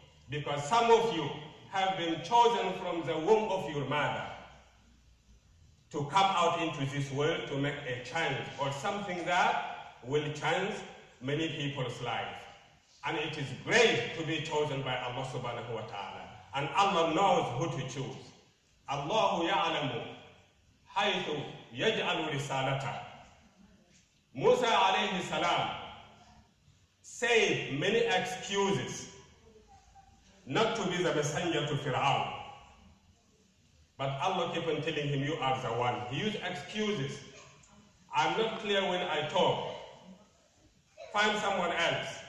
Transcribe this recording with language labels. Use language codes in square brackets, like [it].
[en] Because some of you have been chosen from the womb of your mother to come out into this world to make a change or something that will change many people's lives. And it is great to be chosen by Allah subhanahu wa ta'ala. And Allah knows who to choose. [ar] الله يعلم حيث يجعل رسالته. [en] موسى عليه السلام said many excuses not to be the messenger to Pharaoh. But Allah kept on telling him, you are the one. He used excuses. I'm not clear when I talk. Find someone else.